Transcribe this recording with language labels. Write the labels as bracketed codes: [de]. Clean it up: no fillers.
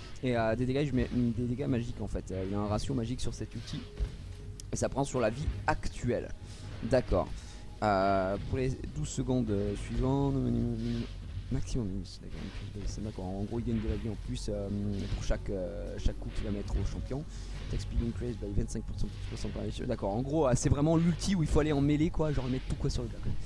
[fr] Et des dégâts magiques en fait, il y a un ratio magique sur cet outil. Et ça prend sur la vie actuelle. D'accord. Pour les 12 secondes suivantes, maximum minus, c'est d'accord. En gros, il gagne de la vie en plus pour chaque coup qu'il va mettre au champion. [en] Attack speed increase by 25% plus 60%. [fr] D'accord, en gros, c'est vraiment l'ulti où il faut aller en mêlée, quoi. Genre, mettre tout quoi sur le gars.